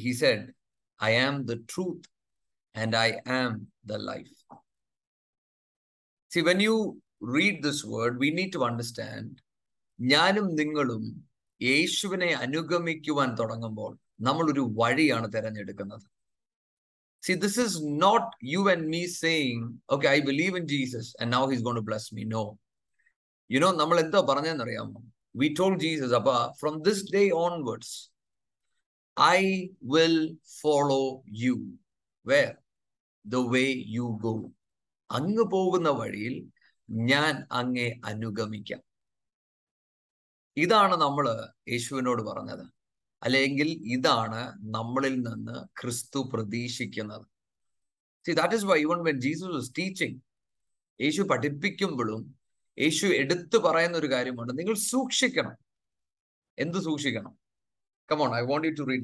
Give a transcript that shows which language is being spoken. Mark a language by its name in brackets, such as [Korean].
[English] He said I am the truth and I am the life. See, when you read this word we need to understand, [Malayalam] ഞാനും നിങ്ങളും യേശുവിനെ അനുഗമിക്കുവാൻ തുടങ്ങുമ്പോൾ നമ്മൾ ഒരു വഴിയാണ് തിരഞ്ഞെടുക്കുന്നത്. [English] See, this is not you and me saying, okay, I believe in Jesus and now he's going to bless me. No. You know, [Malayalam] നമ്മൾ എന്താ പറഞ്ഞെന്ന് അറിയാമോ? [English] We told Jesus, Abba, from this day onwards, I will follow you. Where? The way you go. [Malayalam] അങ്ങ് പോകുന്ന വഴിയിൽ ഞാൻ അങ്ങെ അനുഗമിക്കാം. ഇതാണ് നമ്മൾ യേശുവിനോട് പറഞ്ഞത്. അല്ലെങ്കിൽ ഇതാണ് നമ്മളിൽ നിന്ന് ക്രിസ്തു പ്രതീക്ഷിക്കുന്നത്. [English] See, that is why even when Jesus was teaching, [Malayalam] യേശു പഠിപ്പിക്കുമ്പോഴും യേശു എടുത്തു പറയുന്ന ഒരു കാര്യമുണ്ട്, നിങ്ങൾ സൂക്ഷിക്കണം. എന്ത് സൂക്ഷിക്കണം? [English] Come on, I want you to read.